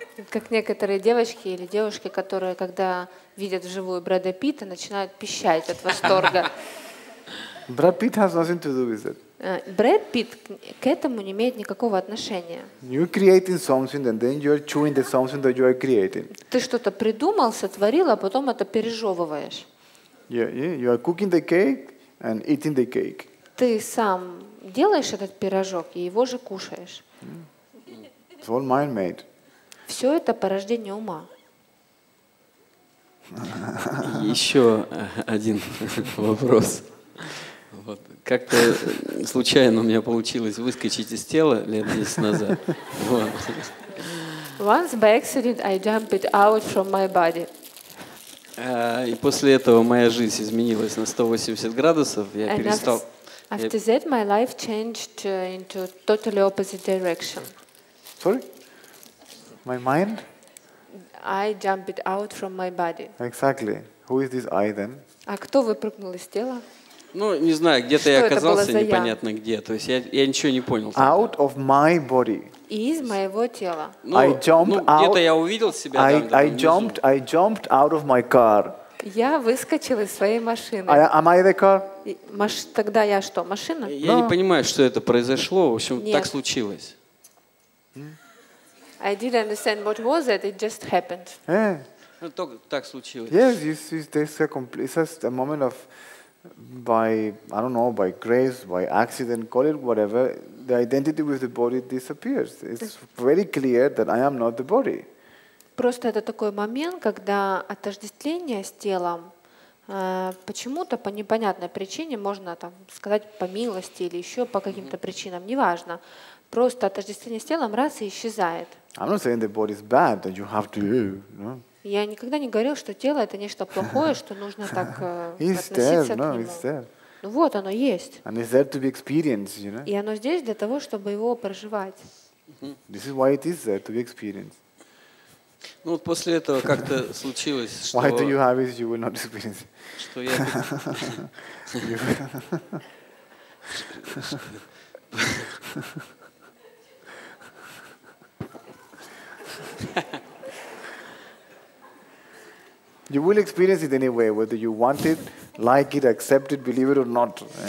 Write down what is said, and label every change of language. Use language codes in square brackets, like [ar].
[ru] Как некоторые девочки или девушки, которые когда видят вживую Брэда Питта, начинают пищать от восторга. [en] Brad Pitt has nothing to do with it. [ru] Брэд Питт к этому не имеет никакого отношения. [en] You're creating something, and then you're chewing the something that you're creating. [ru] Ты что-то придумал, сотворил, а потом это пережевываешь. [en] Yeah, yeah. You are cooking the cake and eating the cake. [ru] Ты сам делаешь этот пирожок и его же кушаешь. [en] Yeah. It's all mind made. [ru] Все это порождение ума. Еще один вопрос. Вот. Как-то случайно у меня получилось выскочить из тела лет 10 назад. [en] Вот. Once by accident I jumped out from my body. [ru] И после этого моя жизнь изменилась на 180 градусов. Я [en] And [ru] перестал. [en] After that my life changed into totally opposite direction. Sorry? My mind? I jumped out from my body. Exactly. Who is this I then? [ru] А кто выпрыгнул из тела? Ну, не знаю, где-то что я оказался непонятно я? Где. То есть я ничего не понял. Тогда. Out of my body. Из моего тела. Ну, [en] I jumped [ru] ну, где-то out, я увидел себя там, [en] I jumped out of my car. [ru] Я выскочил из своей машины. [en] Am I the car? [ru] Тогда я что, машина? Я [en] no. [ru] не понимаю, что это произошло. В общем, Нет. так случилось. [en] I didn't understand what was it. It just happened. [ru] Так случилось. [en] Yes, it's a moment of by I don't know by grace by accident call it whatever the identity with the body disappears it's very clear that I am not the body [ru] просто это такой момент когда отождествление с телом почему-то по непонятной причине можно там сказать по милости или еще по каким-то причинам неважно просто отождествление с телом раз и исчезает [en] I'm not saying the body is bad that you have to you know? [ru] Я никогда не говорил, что тело это нечто плохое, что нужно так относиться [en] there, [ru] к нему. Ну вот оно есть. [en] And it's there to be experienced, you know? [ru] И оно здесь для того, чтобы его проживать. [en] This is why it is there to be experienced. [ru] Ну вот после этого как-то случилось, что [en] Why do you have it you will not experience? [ru] Что я [en] You will experience it anyway, whether you want it, like it, accept it, believe it or not.